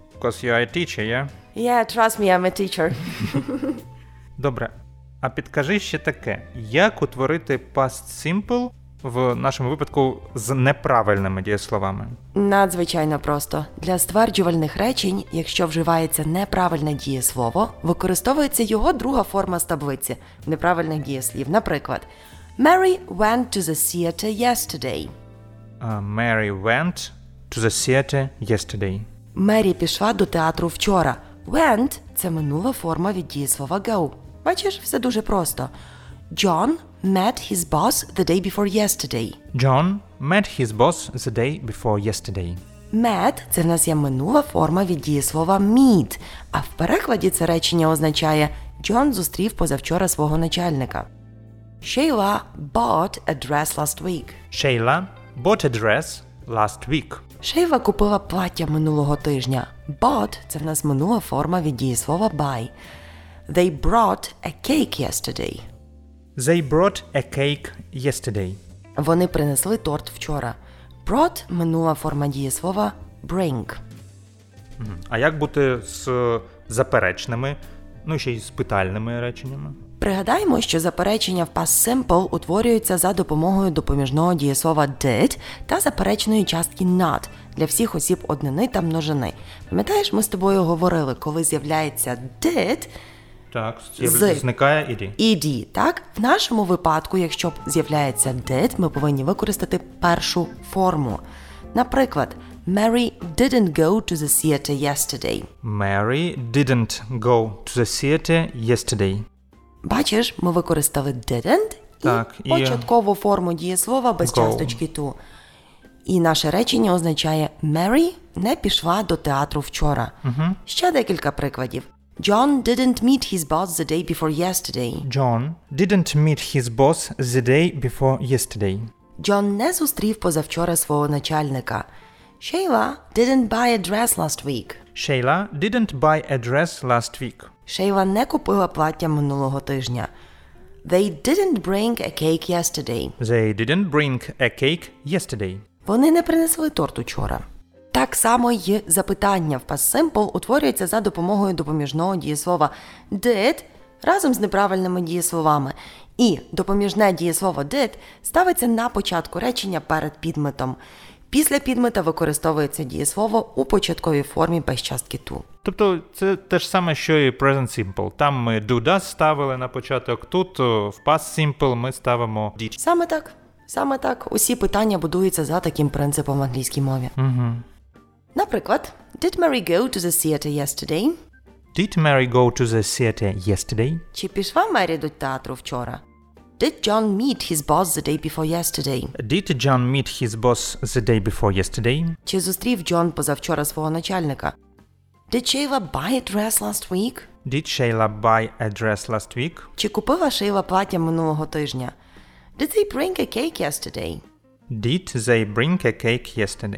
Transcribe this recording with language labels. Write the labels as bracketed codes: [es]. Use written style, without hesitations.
[en] Because you are a teacher, yeah? Yeah, trust me, I'm a teacher. [uk] Добре, а підкажи ще таке, як утворити past simple в нашому випадку з неправильними дієсловами? Надзвичайно просто. Для стверджувальних речень, якщо вживається неправильне дієслово, використовується його друга форма з таблиці неправильних дієслів. Наприклад, [en] Mary went to the theater yesterday. Mary went to the theater yesterday. [uk] Мері пішла до театру вчора. Went – це минула форма від дієслова go. Бачиш, все дуже просто. [en] John met his boss the day before yesterday. John met his boss the day before yesterday. [uk] Met – це в нас є минула форма від дієслова meet, а в перекладі це речення означає John зустрів позавчора свого начальника. [en] Sheila bought a dress last week. Sheila bought a dress last week. [uk] Sheila купила плаття минулого тижня. Bought – це в нас минула форма від дієслова buy. [en] They brought a cake yesterday. They brought a cake yesterday. [uk] Вони принесли торт вчора. Brought – минула форма дієслова bring. А як бути з заперечними, ну ще й з питальними реченнями? Пригадаємо, що заперечення в past simple утворюються за допомогою допоміжного дієслова did та заперечної частки not для всіх осіб однини та множини. Пам'ятаєш, ми з тобою говорили, коли з'являється did – так, зникає ed. ed, так? В нашому випадку, якщо з'являється did, ми повинні використати першу форму. Наприклад, [en] Mary didn't go to the theater yesterday. Mary didn't go to the theater yesterday. [uk] Бачиш, ми використали didn't так, і початкову форму дієслова без часточки to. І наше речення означає Mary не пішла до театру вчора. Ще декілька прикладів. [en] John didn't meet his boss the day before yesterday. John didn't meet his boss the day before yesterday. [uk] John не зустрів позавчора свого начальника. [en] Sheila didn't buy a dress last week. Sheila didn't buy a dress last week. [uk] Sheila не купила плаття минулого тижня. [en] They didn't bring a cake yesterday. They didn't bring a cake yesterday. [uk] Вони не принесли торт учора. Так само й запитання в past simple утворюється за допомогою допоміжного дієслова did разом з неправильними дієсловами. І допоміжне дієслово did ставиться на початку речення перед підметом. Після підмета використовується дієслово у початковій формі без частки to. Тобто це те ж саме, що і present simple. Там ми do does ставили на початок, тут в past simple ми ставимо did. Саме так. Саме так. Усі питання будуються за таким принципом в англійській мові. Угу. Наприклад, [en] did Mary go to the theater yesterday? Did Mary go to the theater yesterday? [uk] Чи пішла Мері до театру вчора? [en] Did John meet his boss the day before yesterday? Did John meet his boss the day before yesterday? [uk] Чи зустрів Джон позавчора свого начальника? [en] Did Sheila buy a dress last week? Did Sheila buy a dress last week? [uk] Чи купила Шейла плаття минулого тижня? [en] Did they bring a cake yesterday? Did they bring a cake yesterday?